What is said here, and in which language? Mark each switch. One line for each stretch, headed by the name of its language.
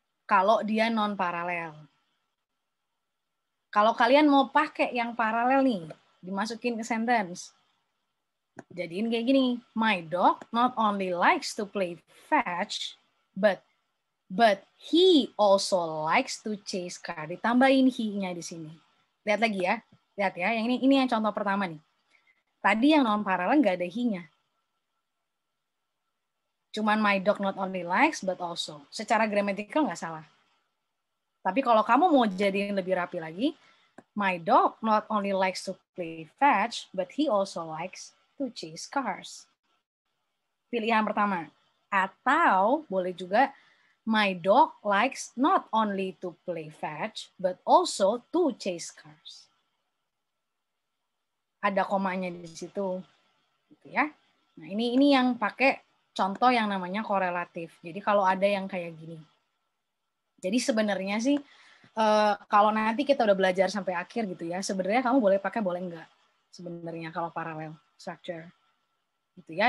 Indonesian: Kalau dia non paralel. Kalau kalian mau pakai yang paralel nih, dimasukin ke sentence. Jadiin kayak gini.
English: My dog not only likes to play fetch, but he also likes to chase car.
Indonesian: Ditambahin he-nya di sini. Lihat lagi ya. Lihat ya. Yang ini yang contoh pertama nih. Tadi yang non-paralel nggak ada he-nya.
English: Cuman my dog not only likes, but also.
Indonesian: Secara grammatical nggak salah. Tapi kalau kamu mau jadiin lebih rapi lagi,
English: my dog not only likes to play fetch, but he also likes to chase cars.
Indonesian: Pilihan pertama. Atau boleh juga,
English: my dog likes not only to play fetch, but also to chase cars.
Indonesian: Ada komanya di situ. Gitu ya. Nah, ini yang pakai contoh yang namanya korelatif. Jadi kalau ada yang kayak gini. Jadi sebenarnya sih, kalau nanti kita udah belajar sampai akhir gitu ya, sebenarnya kamu boleh pakai, boleh enggak sebenarnya kalau paralel structure. Gitu ya.